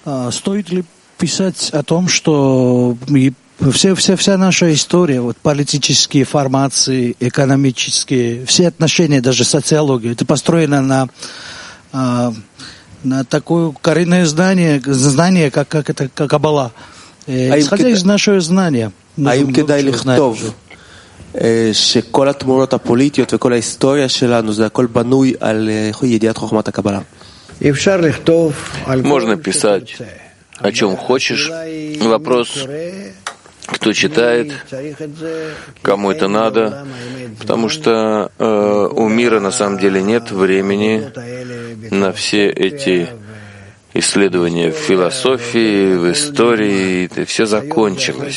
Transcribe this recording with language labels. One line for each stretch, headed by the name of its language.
Russian: Стоит ли писать о том, что вся наша история, вот политические формации, экономические, все отношения, даже социология, это построено на такое коренное знание, как это Каббала. Исходя из нашего знания,
Hebrew: Аим кедай лихтов, שכל התמונות הפוליטיות וכל ההיסטוריה שלנו זה הכל בנוי על ידיעת חוכמת הקבלה. אפשר לכתוב על
Russian: можно писать о чем хочешь. Вопрос, кто читает, кому это надо, потому что у мира на самом деле нет времени на все эти исследования в философии, в истории, это все закончилось.